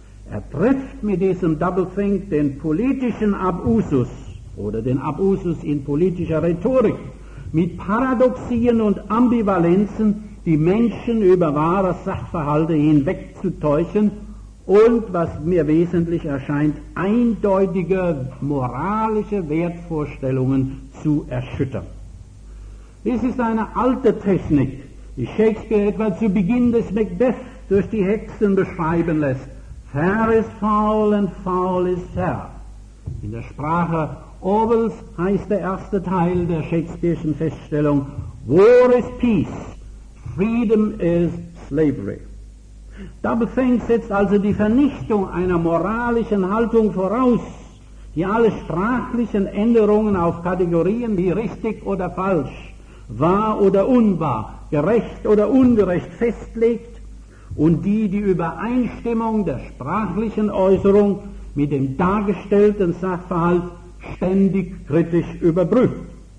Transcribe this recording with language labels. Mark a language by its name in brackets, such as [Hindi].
[German] Er trifft mit diesem Doublethink den politischen Abusus oder den Abusus in politischer Rhetorik mit Paradoxien und Ambivalenzen, die Menschen über wahre Sachverhalte hinwegzutäuschen und, was mir wesentlich erscheint, eindeutige moralische Wertvorstellungen zu erschüttern. Dies ist eine alte Technik, die Shakespeare etwa zu Beginn des Macbeth durch die Hexen beschreiben lässt. [English] Fair is foul and foul is fair. [German] In der Sprache Orwells heißt der erste Teil der Shakespeare'schen Feststellung: [English] War is peace, freedom is slavery. [German] Doublethink setzt also die Vernichtung einer moralischen Haltung voraus, die alle sprachlichen Änderungen auf Kategorien wie richtig oder falsch, wahr oder unwahr, gerecht oder ungerecht festlegt und die die Übereinstimmung der sprachlichen Äußerung mit dem dargestellten Sachverhalt ständig kritisch überprüft.